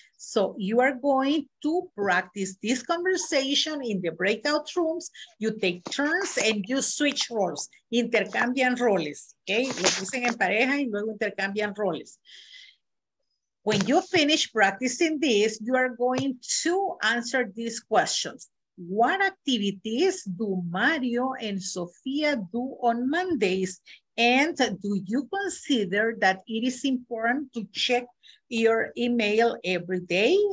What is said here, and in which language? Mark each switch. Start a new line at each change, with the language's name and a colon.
English: So you are going to practice this conversation in the breakout rooms. You take turns and you switch roles.
Spanish: Intercambian roles,
English: okay?
Spanish: Lo dicen en pareja y luego intercambian roles.
English: When you finish practicing this, you are going to answer these questions. What activities do Mario and Sofia do on Mondays? And do you consider that it is important to check your email every day?